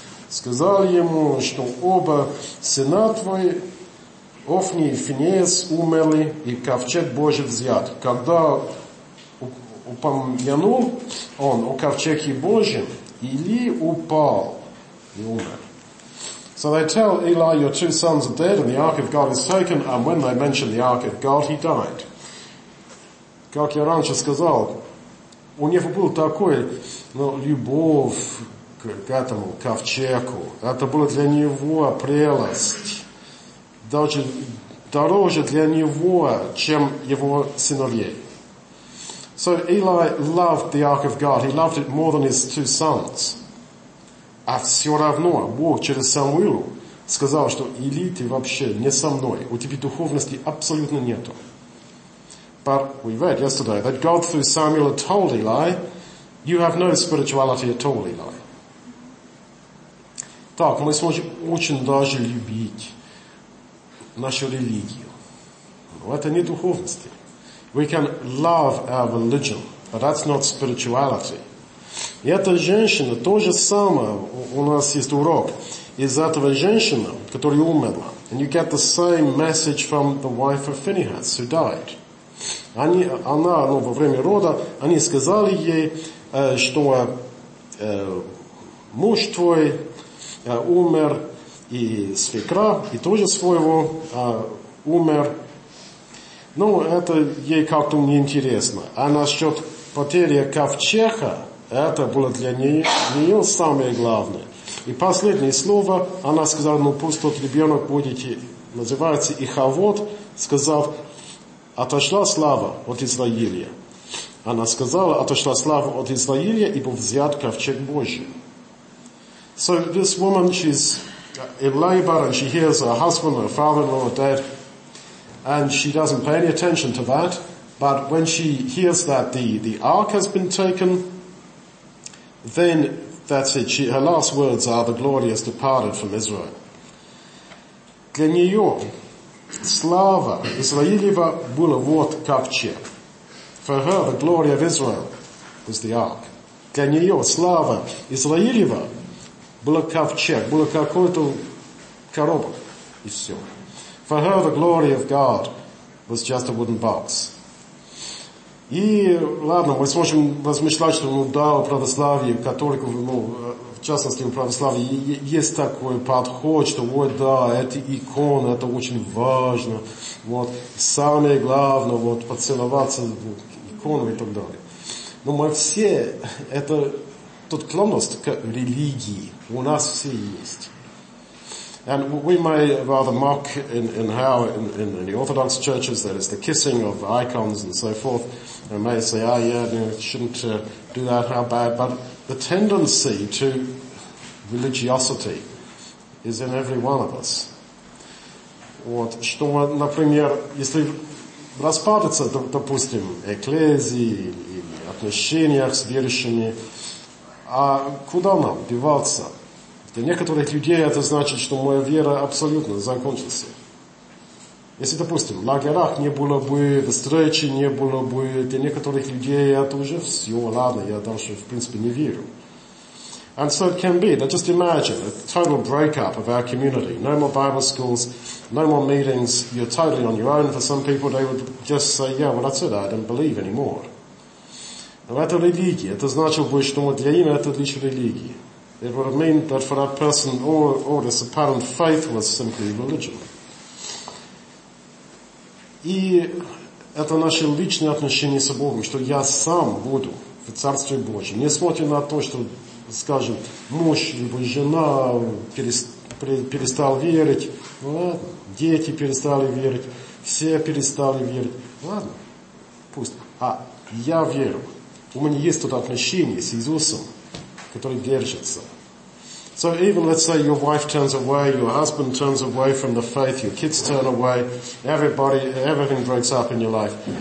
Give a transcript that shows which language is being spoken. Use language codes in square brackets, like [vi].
[ru] Сказал ему, что оба сына твои, Офни и Финеас, умерли, и ковчег Божий взят. Когда упомянул он о ковчеге Божьем, Илия упал и умер. [en] So they tell Eli, your two sons are dead and the ark of God is taken, and when they mention the ark of God, he died. [ru] Как я раньше сказал, у него был такой, ну, любовь к этому ковчегу. Это было для него прелесть. Даже дороже для него, чем его сыновей. [en] So Eli loved the ark of God. He loved it more than his two sons. [ru] А все равно Бог через Самуила сказал, что Ильи, ты вообще не со мной. У тебя духовности абсолютно нету. [en] But we read yesterday that God through Samuel had told Eli, you have no spirituality at all, Eli. [ru] Так, мы сможем очень даже любить нашу религию. Но это не духовность. [en] We can love our religion, but that's not spirituality. [ru] И эта женщина, то же самое, у нас есть урок из этого женщины, которая умерла. [en] And you get the same message from the wife of Phinehas, who died. [ru] Она во время рода, они сказали ей, что муж твой умер, и свекра, и тоже своего умер. Ну, это ей как-то неинтересно. А насчет потери ковчега, это было для нее самое главное. И последнее слово, она сказала, ну пусть тот ребенок будет, называется Ихавод, сказав, отошла слава от Израиля. Она сказала, отошла слава от Израиля, и был взят ковчег Божий. [en] So this woman, she's in labor, and she hears her husband, her father-in-law are dead, and she doesn't pay any attention to that. But when she hears that the ark has been taken, then that's it. Her last words are, the glory has departed from Israel. [ru] Для нее слава Израилева была вот ковчег. [en] For her, the glory of Israel was the ark. [ru] Для нее слава Израилева была ковчег, была какой-то коробок, и все. [en] For her, the glory of God was just a wooden box. [ru] И, ладно, мы сможем размышлять, что, ну, да, у православия, католиков, ну, в частности, у православия есть такой подход, что, ой, да, это икона, это очень важно, вот, самое главное, вот, поцеловаться в икону и так далее. Но мы все, это тут клонность к религии, у нас все есть. [en] And we may rather mock in how in the Orthodox churches that is the kissing of icons and so forth. And may say, ah, yeah, you shouldn't do that, how bad. But the tendency to religiosity is in every one of us. [ru] Вот, что, например, если распадется, допустим, экклезии или отношения с верующими, а куда нам деваться? Для некоторых людей это значит, что моя вера абсолютно закончилась. Если, допустим, в лагерях не было бы, встречи не было бы, для некоторых людей это уже все, ладно, я дальше, в принципе, не верю. [en] And so it can be. Now just imagine a total breakup of our community. No more Bible schools, no more meetings, you're totally on your own. For some people, they would just say, yeah, well, that's it, I don't believe anymore. [ru] Но это религия. Это значило бы, что для им это лишь религия. [en] It would have meant that for that person, all this apparent faith was simply religion. [ru] И это наши личные отношения с Богом, что я сам буду в Царстве Божьем, несмотря на то, что, скажем, муж либо жена перестал верить, ладно, дети перестали верить, все перестали верить, ладно, пусть. А я верю, у меня есть тут отношение с Иисусом, который держится. [en] So even, let's say, your wife turns away, your husband turns away from the faith, your kids turn away, everything breaks up in your life.